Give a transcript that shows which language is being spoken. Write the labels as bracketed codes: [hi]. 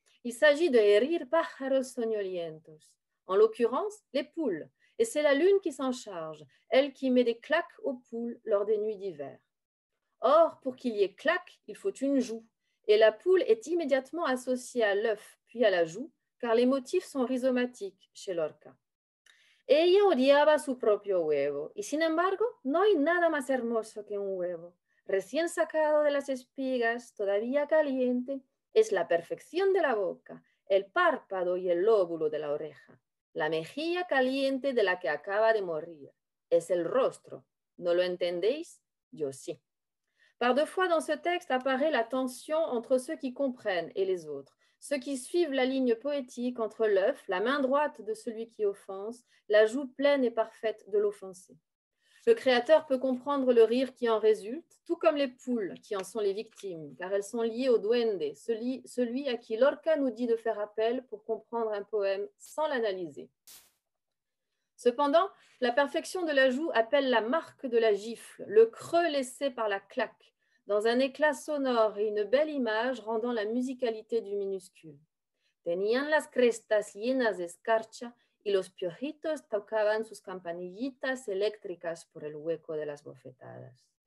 [fr] Il s'agit de « [es] Herir pájaros soñolientos [fr] », en l'occurrence, les poules. Et c'est la lune qui s'en charge, elle qui met des claques aux poules lors des nuits d'hiver. Or, pour qu'il y ait claque, il faut une joue, et la poule est immédiatement associée à l'œuf, puis à la joue, car les motifs sont rhizomatiques chez Lorca. [es] Ella odiaba su propio huevo, y sin embargo, no hay nada más hermoso que un huevo. Recién sacado de las espigas, todavía caliente, es la perfección de la boca, el párpado y el lóbulo de la oreja. La mejilla caliente de la que acaba de morir. Es el rostro. ¿No lo entendéis? Yo sí. [fr] Par deux fois dans ce texte apparaît la tension entre ceux qui comprennent et les autres, ceux qui suivent la ligne poétique entre l'œuf, la main droite de celui qui offense, la joue pleine et parfaite de l'offensé. Le créateur peut comprendre le rire qui en résulte, tout comme les poules qui en sont les victimes, car elles sont liées au duende, celui à qui Lorca nous dit de faire appel pour comprendre un poème sans l'analyser. Cependant, la perfection de la joue appelle la marque de la gifle, le creux laissé par la claque, dans un éclat sonore et une belle image rendant la musicalité du minuscule. [es] Tenían las crestas llenas de escarcha, y los piojitos tocaban sus campanillitas eléctricas por el hueco de las bofetadas.